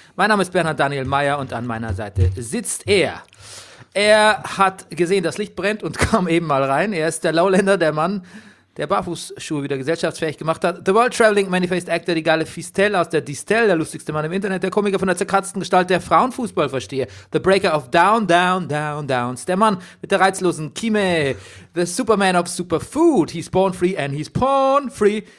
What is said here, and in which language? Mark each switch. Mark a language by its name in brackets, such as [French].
[German] Mein Name ist Bernhard Daniel Mayer und an meiner Seite sitzt er. Er hat gesehen, das Licht brennt und kam eben mal rein. Er ist der Lauländer, der Mann, der Barfußschuhe wieder gesellschaftsfähig gemacht hat. [English] The World Traveling Manifest Actor, [German] die geile Fistel aus der Distel, der lustigste Mann im Internet, der Komiker von der zerkratzten Gestalt, der Frauenfußball verstehe. [English] The Breaker of Down, Down, Down, Downs. [German] Der Mann mit der reizlosen Kimme. [English] The Superman of Superfood. He's born free and he's porn free.